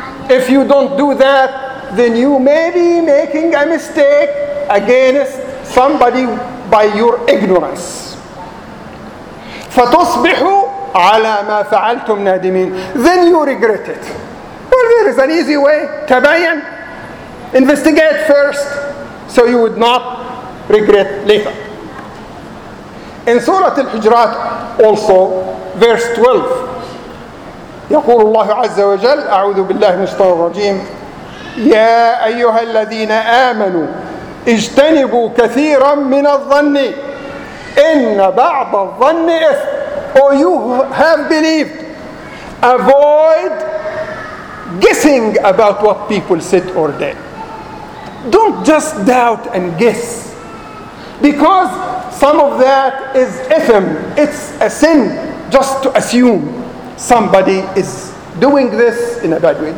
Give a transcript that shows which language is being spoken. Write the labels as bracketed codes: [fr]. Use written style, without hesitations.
[en] If you don't do that, then you may be making a mistake against somebody by your ignorance. [ar] فَتُصْبِحُوا على ما فعلتم نادمين. [en] Then you regret it. Well, there is an easy way. [ar] تبين. [en] Investigate first, so you would not regret later. In Surah Al-Hujurat also, verse 12, [ar] يقول الله عز وجل أعوذ بالله من الشيطان الرجيم يا أيها الذين آمنوا اجتنبوا كثيرا من الظن إن بعض الظن إثم. [en] Or you have believed, avoid guessing about what people said or did. Don't just doubt and guess, because some of that is ithm. It's a sin just to assume somebody is doing this in a bad way.